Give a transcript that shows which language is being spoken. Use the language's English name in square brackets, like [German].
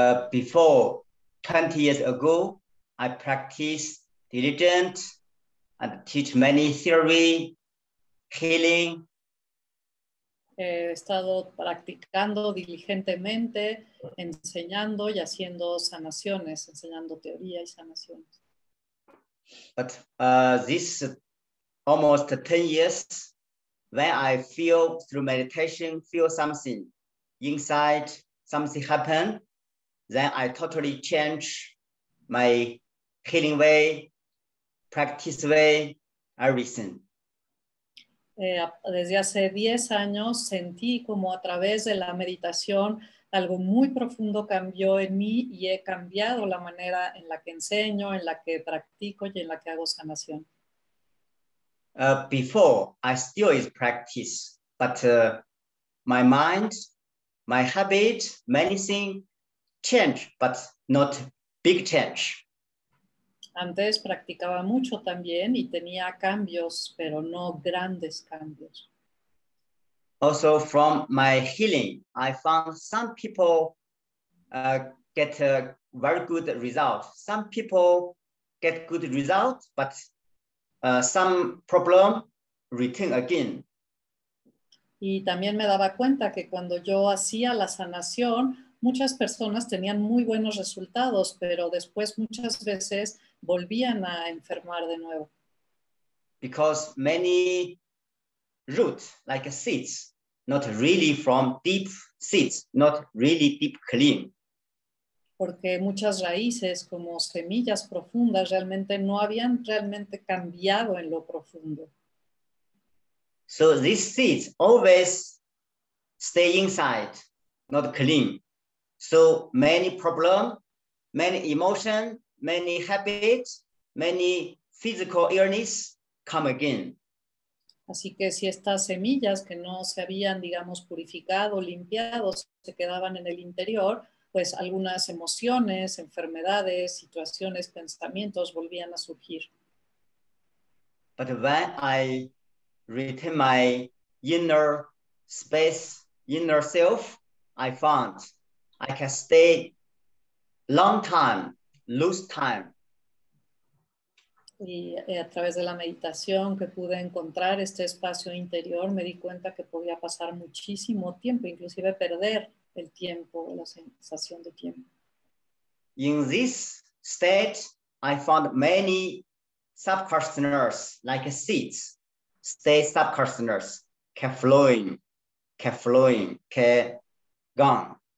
[English] Before 20 years ago, I practiced dirigen and teach many theory, healing. [Spanish] He estado practicando diligentemente, enseñando y haciendo sanaciones, enseñando teoría y sanaciones. [English] But this almost 10 years, when I feel through meditation, feel something inside, something happen, then I totally change my healing way, practice way, everything. [Spanish] Desde hace 10 años sentí como a través de la meditación algo muy profundo cambió en mí y he cambiado la manera en la que enseño, en la que practico y en la que hago sanación. [English] Before, I still is practice, but my mind, my habit, many things change, but not big change. [Spanish] Antes practicaba mucho también y tenía cambios, pero no grandes cambios. [English] Also, from my healing, I found some people get a very good result. Some people get good results, but some problem return again. [Spanish] Y también me daba cuenta que cuando yo hacía la sanación, muchas personas tenían muy buenos resultados, pero después muchas veces volvían a enfermar de nuevo. [English] Because many roots, like seeds, not really from deep seeds, not really deep clean. [Spanish] Porque muchas raíces como semillas profundas realmente no habían realmente cambiado en lo profundo. [English] So these seeds always stay inside, not clean. So many problems, many emotions, many habits, many physical illness come again. [Spanish] Así que si estas semillas que no se habían, digamos, purificado, limpiado, se quedaban en el interior, pues algunas emociones, enfermedades, situaciones, pensamientos volvían a surgir. [English] But when I retain my inner space, inner self, I found I can stay long time, lose time. [Spanish] Y a través de la meditación que pude encontrar este espacio interior, me di cuenta que podía pasar muchísimo tiempo, inclusive perder el tiempo, la sensación de tiempo. [English] In this state, I found many subconsciousness, like seeds, state subconsciousness, can flowing, can gone.